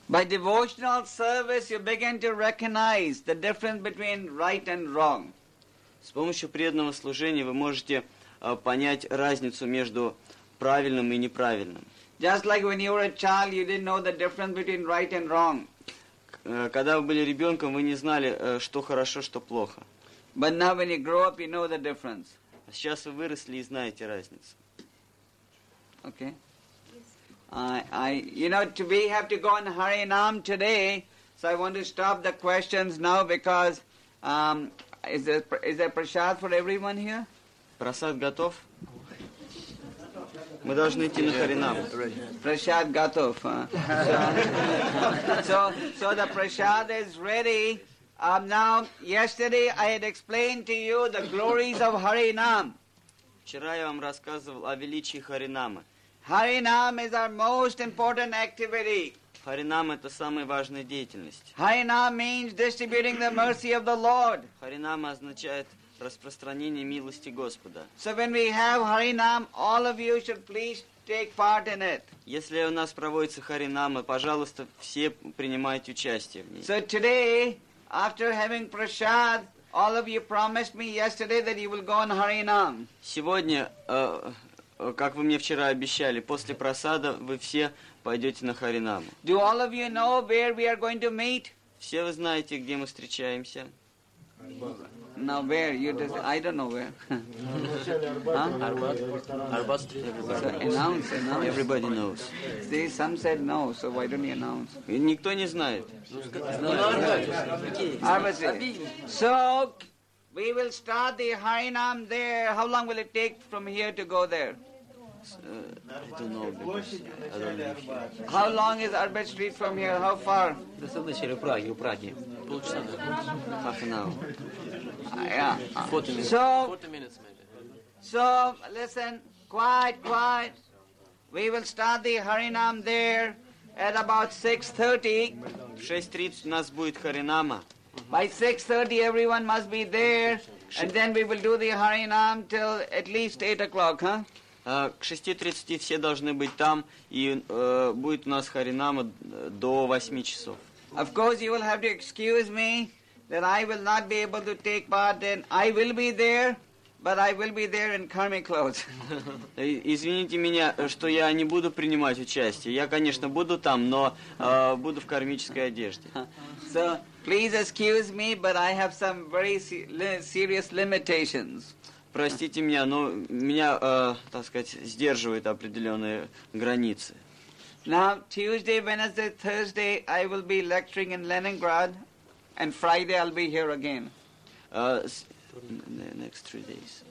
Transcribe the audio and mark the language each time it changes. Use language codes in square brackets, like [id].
[en] By devotional service you begin to recognize the difference between right and wrong. [ru] С помощью преданного служения вы можете понять разницу между правильным и неправильным. [en] Just like when you were a child, you didn't know the difference between right and wrong. [ru] Когда вы были ребенком, вы не знали, что хорошо, что плохо. [en] But now when you grow up, you know the difference. [ru] А сейчас вы выросли и знаете разницу. [en] Okay. We have to go on Harinam today, so I want to stop the questions now because is there prasad for everyone here? [ru] Прасад готов? Мы должны идти на Харинам. Прасад готов. [en] So the Прасад is ready. Now, yesterday I had explained to you the glories of Harinam. [ru] Вчера я вам рассказывал о величии Харинама. [en] Harinam is our most important activity. [ru] Харинам – это самая важная деятельность. [en] Harinam means distributing the mercy of the Lord. [ru] Харинам означает распространение милости Господа. [en] So when we have Harinam, all of you should please take part in it. [ru] Если у нас проводится Харинама, пожалуйста, все принимайте участие в ней. [en] So today, after having prasad, all of you promised me yesterday that you will go on Harinam. [ru] Сегодня, как вы мне вчера обещали, после прасада вы все пойдете на Харинаму. [en] Do all of you know where we are going to meet? [ru] Все вы знаете, где мы встречаемся. [en] Now where? You just, I don't know where. Arbat. Arbat. Announce. Everybody knows. See, some said no, so why don't you announce? [ru] Никто не знает. [en] Arbat. So, we will start the Harinam there. How long will it take from here to go there? I don't know. How long is Arbat Street from here? How far? Prague. Half an hour. Yeah. 40 minutes. So, 40 minutes maybe. So, listen, quiet. We will start the Harinam there at about 6:30. [ru] 6:30 у нас будет Харинама. [en] By 6:30 everyone must be there, and then we will do the Harinam till at least 8 o'clock, huh? [ru] К 6:30 все должны быть там, и будет у нас Харинама до 8 часов. [en] Of course, you will have to excuse me that I will not be able to take part in. I will be there, but I will be there in karmic clothes. [ru] Извините меня, что я не буду принимать участие. Я, конечно, буду там, но буду в кармической одежде. [en] So, Please excuse me, but I have some very serious limitations. [ru] Простите меня, но меня, так сказать, сдерживают определенные границы. [en] Now, Tuesday, Wednesday, Thursday, I will be lecturing in Leningrad, and Friday I'll be here again. Next 3 days.